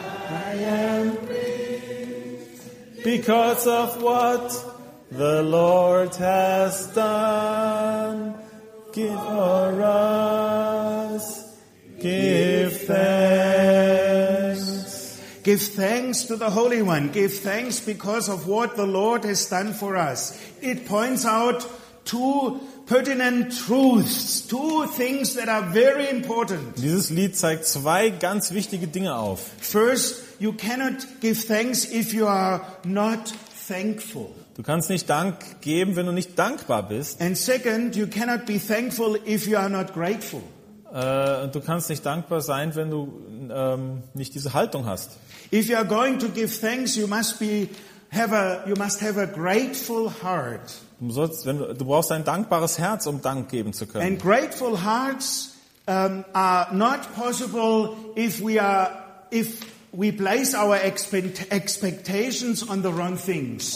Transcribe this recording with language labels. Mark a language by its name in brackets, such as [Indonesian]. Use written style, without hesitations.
[English] I am because of what the Lord has done, give for us, give thanks. Give thanks to the Holy One. Give thanks because of what the Lord has done for us. It points out two pertinent truths, two things that are very important. [German] Dieses Lied zeigt zwei ganz wichtige Dinge auf. [English] First, you cannot give thanks if you are not thankful. [German] Du kannst nicht Dank geben, wenn du nicht dankbar bist. [English] And second, you cannot be thankful if you are not grateful. [German] Und du kannst nicht dankbar sein, wenn du nicht diese Haltung hast. [English] If you are going to give thanks, you must have a grateful heart. [German] Du brauchst ein dankbares Herz, um Dank geben zu können. [English] And grateful hearts are not possible if we place our expectations on the wrong things.